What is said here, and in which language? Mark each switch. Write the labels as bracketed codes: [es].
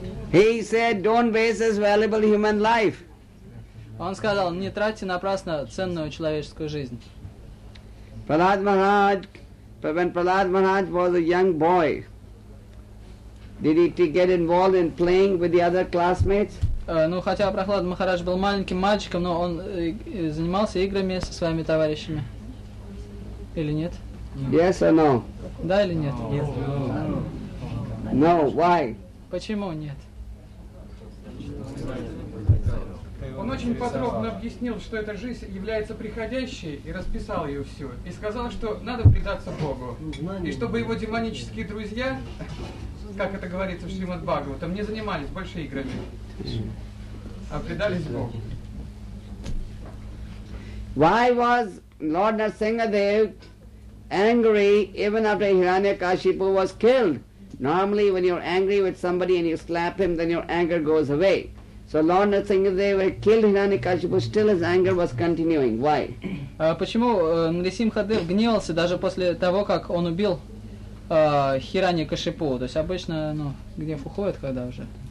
[en] He said, "Don't waste this valuable human life." [ru] Он сказал, не тратьте напрасно ценную человеческую жизнь. [en] Prahlad Maharaj, when Prahlad Maharaj was a young boy, did he get involved in playing with the other classmates? [ru] Ну хотя Прохлад Махарадж был маленьким мальчиком, но он занимался играми со своими товарищами, или нет? [en] Yes or no? [ru] Да или нет? [en] No. Why? [ru] Почему нет? Он очень подробно объяснил, что эта жизнь является приходящей, и расписал ее всю. И сказал, что надо предаться Богу. И чтобы его демонические друзья, как это говорится в Шримад Бхагаватам, не занимались больше играми, а предались Богу. [en] Why was Lord Narsingadev angry even after Hiranyakashipu was killed? Normally, when you're angry with somebody and you slap him, then your anger goes away. So Lord Narsingadev killed Hiranyakashipu, still his anger was continuing. Why? [ru] Почему Нарисимхадев гневался даже после того, как он убил Хираньякашипу? То есть обычно, ну, гнев уходит, когда уже.